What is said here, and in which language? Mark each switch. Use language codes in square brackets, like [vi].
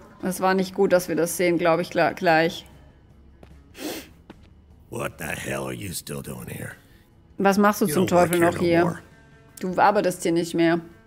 [de] Es war nicht gut, dass wir das sehen, glaube ich, gleich. [en] What the hell are you still doing here? [de] Was machst du zum Teufel noch hier? Du arbeitest hier nicht mehr.